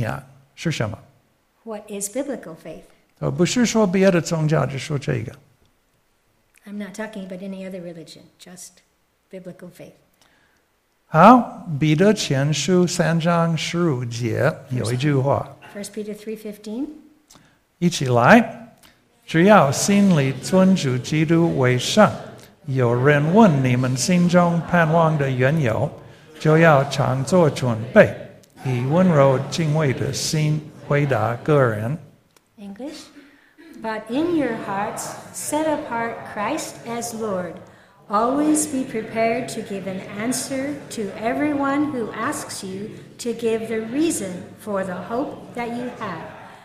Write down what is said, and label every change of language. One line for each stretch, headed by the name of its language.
Chinese: 好，第一个，基于圣经的信仰是什么？
English: What is biblical faith?
Chinese: 不是说别的宗教，就说这个。
English: I'm not talking about any other religion, just biblical faith.
Chinese: 好，彼得前书3章15节有一句话。
English: First Peter 3:15.
Chinese: 一起来。只要心里尊主基督为圣，有人问你们心中盼望的缘由，就要常作准备，以温柔敬畏的心回答个人。
English: English, but in your hearts set apart Christ as Lord. Always be prepared to give an answer to everyone who asks you to give the reason for the hope that you have.